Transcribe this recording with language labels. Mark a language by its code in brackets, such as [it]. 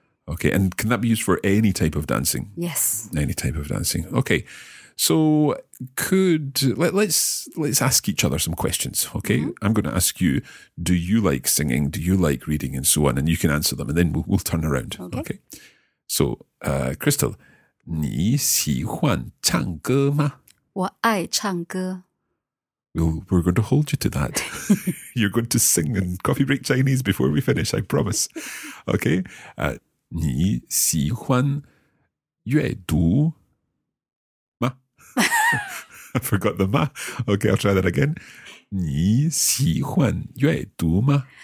[en] Okay, and can that be used for any type of dancing? Yes. Any type of dancing. Okay. So let's ask each other some questions, okay? Mm-hmm. I'm going to ask you, do you like singing? Do you like reading and so on? And you can answer them and then we'll turn around. Okay. So, [zh] Crystal, 你喜欢唱歌吗? 我爱唱歌. [en] We're going to hold you to that. You're going to sing in Coffee Break Chinese before we finish, I promise. Okay. [zh] 你喜欢阅读? [en] I forgot the ma. Okay, I'll try that again. [zh] 你喜欢阅读吗?